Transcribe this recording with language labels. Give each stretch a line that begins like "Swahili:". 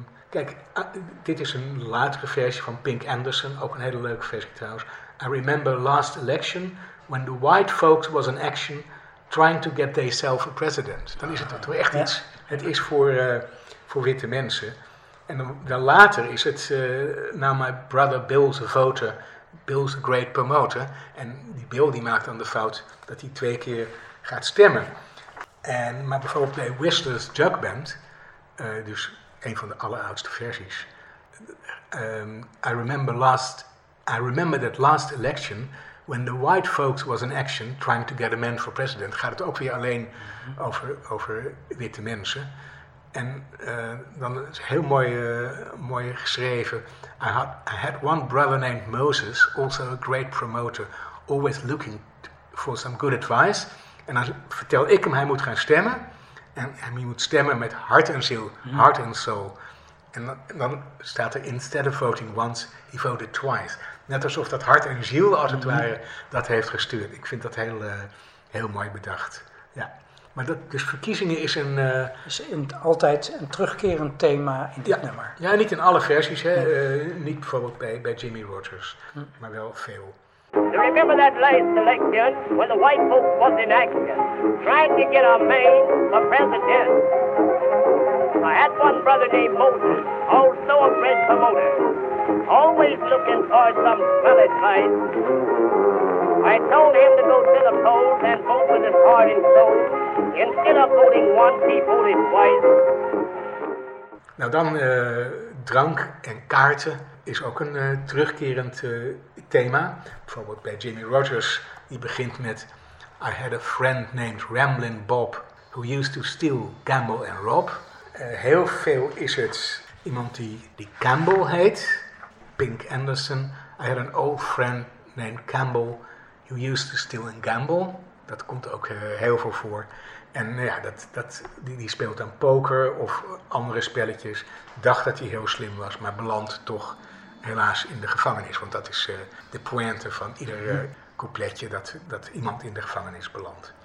Dutch: Dus dit is een latere versie van Pink Anderson, ook een hele leuke versie trouwens.
English: I remember last election, when the white folks was an action, trying to get themselves a president.
Dutch: Dan is het toch echt iets. Het is voor witte mensen. En dan later is het
English: Now my brother Bill's a voter. Bill's a great promoter.
Dutch: En die Bill die maakt dan de fout dat hij twee keer gaat stemmen. Maar bijvoorbeeld bij Whistler's Jug Band, dus een van de alleroudste versies.
English: I remember that last election, when the white folks was in action, trying to get a man for president,
Dutch: gaat het ook weer alleen over witte mensen. En dan is heel mooi geschreven.
English: I had one brother named Moses, also a great promoter, always looking for some good advice.
Dutch: En dan vertel ik hem, hij moet gaan stemmen. En hij moet stemmen met hart en ziel,
English: heart and soul.
Dutch: En dan staat er,
English: instead of voting once, he voted twice.
Dutch: Net alsof dat hart en ziel, als het ware, dat heeft gestuurd. Ik vind dat heel, heel mooi bedacht. Ja. Maar dat, dus verkiezingen is een Altijd een terugkerend thema in dit nummer. Ja, niet in alle versies. Hè. Nee. Niet bijvoorbeeld bij Jimmy Rogers, maar wel veel.
English: Remember that last election, when the white folks was in action, trying to get a man for president. I had one brother named Moses, also a great promoter, always looking for some solid kind. I told him to go to the polls and vote with his heart and soul. Instead of voting once, he voted twice.
Dutch: Nou dan, drank en kaarten is ook een terugkerend thema. Bijvoorbeeld bij Jimmy Rogers, die begint met
English: I had a friend named Ramblin' Bob, who used to steal, gamble and rob.
Dutch: Heel veel is het iemand die Campbell heet, Pink Anderson.
English: I had an old friend named Campbell, who used to steal and gamble.
Dutch: Dat komt ook heel veel voor. En ja, die speelt dan poker of andere spelletjes. Dacht dat hij heel slim was, maar belandt toch helaas in de gevangenis. Want dat is de pointe van ieder coupletje, dat iemand in de gevangenis belandt.